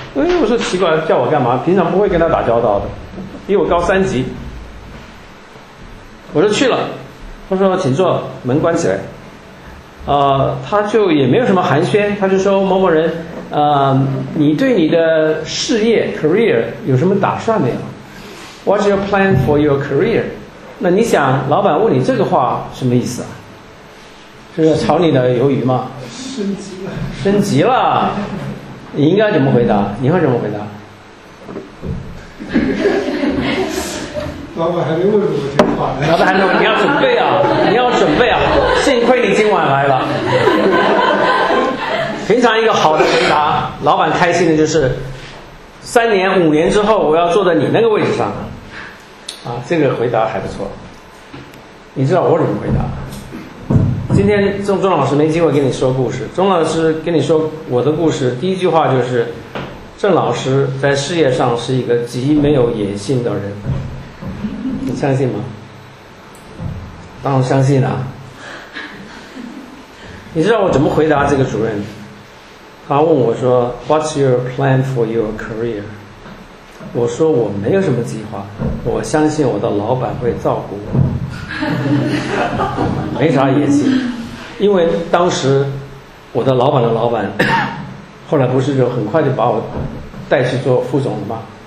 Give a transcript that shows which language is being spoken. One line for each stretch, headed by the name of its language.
Chinese: 哎，我说奇怪，叫我干嘛？平常不会跟他打交道的，比我高3级。我说去了，他说请坐，门关起来。他就也没有什么寒暄，他就说某某人，你对你的事业 career 有什么打算没有？
English: What's your plan for your career？
Chinese: 那你想，老板问你这个话什么意思啊？是要炒你的鱿鱼吗？升级了。升级了，你应该怎么回答？你会怎么回答？老板还没问我这话呢。老板还说你要准备啊，你要准备啊，幸亏你今晚来了。平常一个好的回答，老板开心的就是3年、5年之后我要坐在你那个位置上啊。这个回答还不错。你知道我怎么回答？今天钟老师没机会跟你说故事，钟老师跟你说我的故事，第一句话就是，郑老师在事业上是一个极没有野心的人，你相信吗？当然相信了。你知道我怎么回答这个主任？他问我说
English: What's your plan for your career？
Chinese: 我说我没有什么计划，我相信我的老板会照顾我。没啥野心，因为当时我的老板的老板后来不是就很快就把我带去做副总了吗？